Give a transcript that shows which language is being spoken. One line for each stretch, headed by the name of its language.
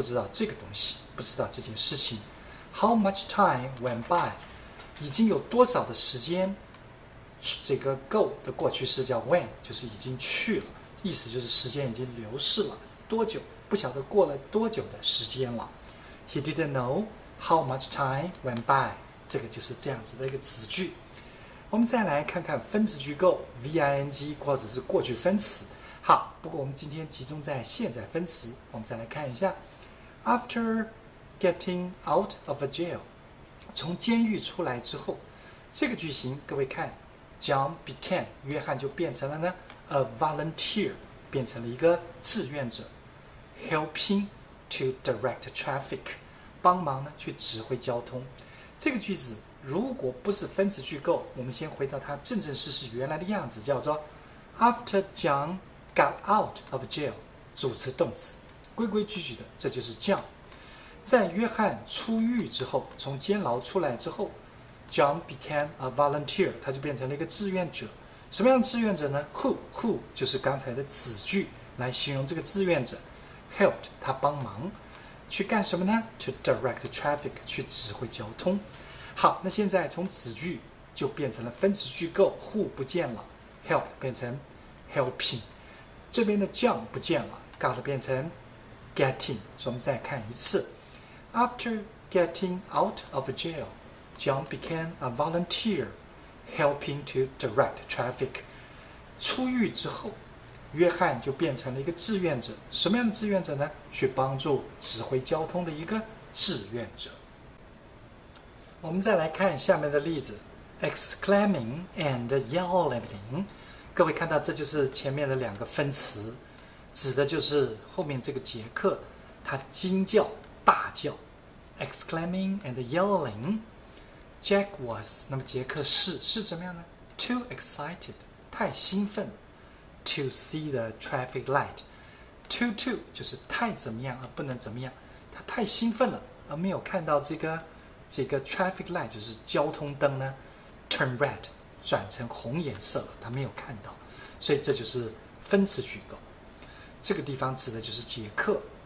Chinese: 不知道这个东西，不知道这件事情。
English: How much time went by？
Chinese: 已经有多少的时间？这个 go 的过去式叫 when， 就是已经去了，意思就是时间已经流逝了多久？不晓得过了多久的时间了。
English: He didn't know how much time went by。
Chinese: 这个就是这样子的一个子句。我们再来看看分词句构 ，ving 或者是过去分词。好，不过我们今天集中在现在分词，我们再来看一下。
English: After getting out of a jail，
Chinese: 从监狱出来之后，这个句型各位看 ，John became， 约翰就变成了呢
English: a volunteer，
Chinese: 变成了一个志愿者 ，
English: helping to direct traffic，
Chinese: 帮忙呢去指挥交通。这个句子如果不是分词句构，我们先回到它正正式式原来的样子，叫做 After John。
English: Got out of jail，
Chinese: 主词动词，规规矩矩的，这就是 John。在约翰出狱之后，从监牢出来之后，
English: John became a volunteer，
Chinese: 他就变成了一个志愿者。什么样的志愿者呢？ Who 就是刚才的子句来形容这个志愿者。 Helped 他帮忙去干什么呢？
English: To direct traffic
Chinese: 去指挥交通。好，那现在从子句就变成了分词句构， Who 不见了， Help 变成 Helping， 这边的 John 不见了， Got 变成 Getting。所以我们再看一次，
English: After getting out of jail John became a volunteer helping to direct traffic。
Chinese: 出狱之后约翰就变成了一个志愿者，什么样的志愿者呢？去帮助指挥交通的一个志愿者。我们再来看下面的例子，
English: exclaiming and yelling。
Chinese: 各位看到这就是前面的两个分词，指的就是后面这个杰克他惊叫大叫，
English: exclaiming and yelling。 Jack was,
Chinese: 那么杰克是怎么样呢？
English: Too excited,
Chinese: 太兴奋。
English: To see the traffic light,
Chinese: too 就是太怎么样而不能怎么样，他太兴奋了而没有看到这个 traffic light 就是交通灯呢
English: turn red,
Chinese: 转成红颜色了，他没有看到。所以这就是分词句构，这个地方指的就是杰克。